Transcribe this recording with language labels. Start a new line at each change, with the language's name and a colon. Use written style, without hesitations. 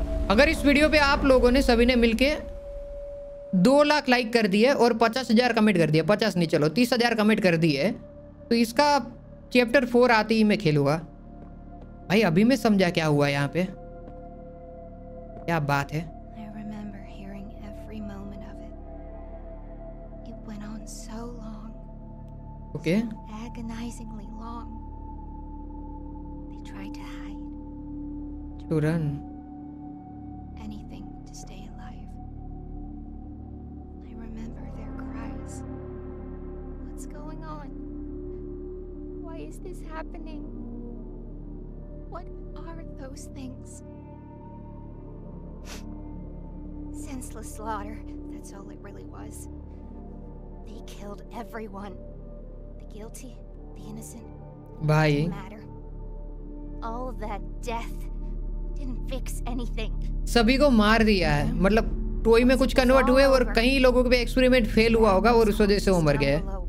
Hindi: अगर इस वीडियो पे आप लोगों ने सभी ने मिलके 200,000 लाइक कर दिए और 50,000 कमेंट कर दिया, 50 नहीं चलो 30,000 कमेंट कर दिए, तो इसका चैप्टर 4 आते ही मैं खेलूँगा भाई। अभी मैं समझा क्या हुआ यहाँ पे, क्या बात है।
English: I remember hearing every moment of it. It went on so long. Okay. Agonizingly long. They tried to hide. To run. Anything to stay alive. I remember their cries. What's going on? Why is this happening? What are those things? Senseless slaughter, that's all it really was. They killed everyone. The guilty, the innocent. Bye. Didn't matter. All that death didn't fix anything.
Hindi: सभी को मार दिया है, मतलब टोई में कुछ convert हुए और कई लोगों के एक्सपेरिमेंट फेल हुआ होगा और उस वजह से वो मर गए।